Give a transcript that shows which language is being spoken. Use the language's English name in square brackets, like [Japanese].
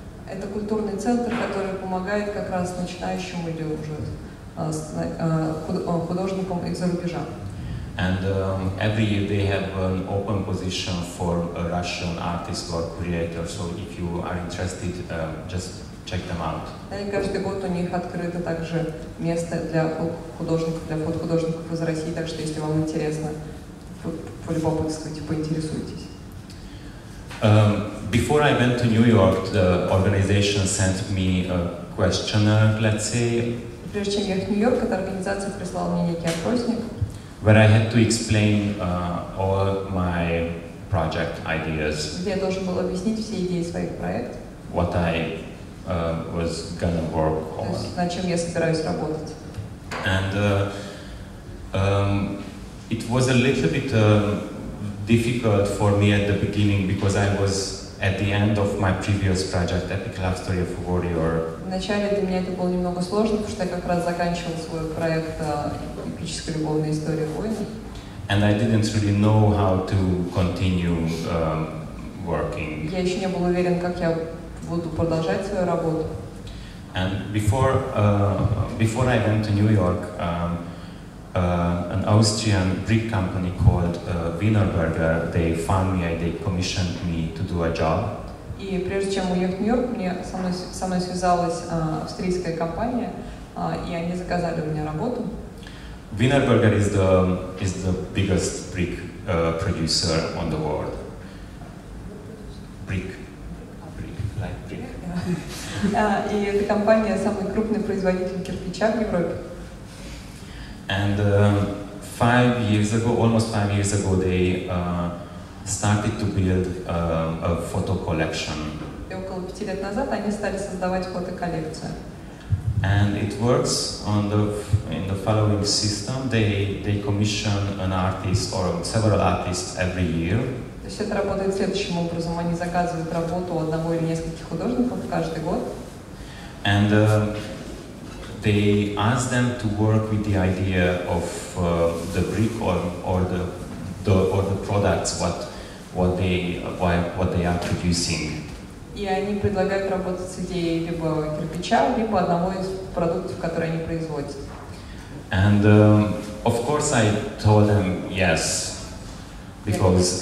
[Russian] Это культурный центр, который помогает как раз начинающим или уже художникам из-за рубежа. [English] And every year they have an open position for Russian artists or creators. So if you are interested, just check them out. [Russian] И каждый год у них открыто также место для художников, для фотохудожников из России, так что если вам интересно, полюбопытствуйте, поинтересуйтесь. [English] Before I went to New York, the organization sent me a questionnaire, let's say. [Russian] Прежде чем ехать в Нью-Йорк, эта организация прислала мне некий опросник. [English] Where I had to explain all my project ideas. [Russian] Где я должен был объяснить все идеи своих проектов. [English] What I was gonna work on. [Russian] То есть, над чем я собираюсь работать. [English] And it was a little bit difficult for me at the beginning because I was at the end of my previous project, Epic Love Story of a Warrior. [Russian] Вначале для меня это было немного сложно, потому что я как раз заканчивал свой проект «Эпическая любовная история войны». [English] And I didn't really know how to continue working. [Russian] Я еще не был уверен, как я буду продолжать свою работу. [English] And before I went to New York, an Austrian brick company called Wienerberger, they found me, they commissioned me to do a job. [Russian] И прежде чем уехать в Нью-Йорк, со мной связалась австрийская компания, и они заказали мне работу. [English] Wienerberger is the biggest brick producer on the world. Brick. [Russian] И эта компания самый крупный производитель кирпича в Европе. [English] And 5 years ago, almost 5 years ago, they started to build a photo collection. [Russian] И около 5 лет назад они стали создавать фотоколлекцию. [English] And it works on in the following system. They commission an artist or several artists every year. [Russian] То есть это работает следующим образом. Они заказывают работу одного или нескольких художников каждый год. [English] And they ask them to work with the idea of the brick or the products what they are producing. [Russian] И они предлагают работать с идеей либо кирпича, либо одного из продуктов, которые они производят. [English] And of course I told them yes, because